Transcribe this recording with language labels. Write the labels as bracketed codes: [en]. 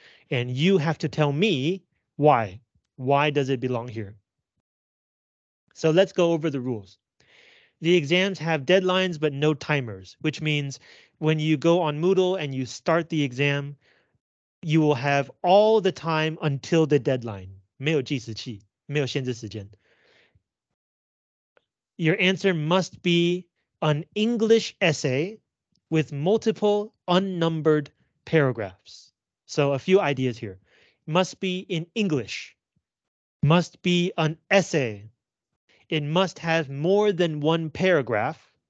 [en] And you have to tell me why. Why does it belong here? So let's go over the rules. The exams have deadlines but no timers, which means when you go on Moodle and you start the exam, you will have all the time until the deadline. [zh] 没有计时器, 没有限制时间. [en] Your answer must be an English essay with multiple unnumbered paragraphs. So a few ideas here. Must be in English. Must be an essay. It must have more than one paragraph.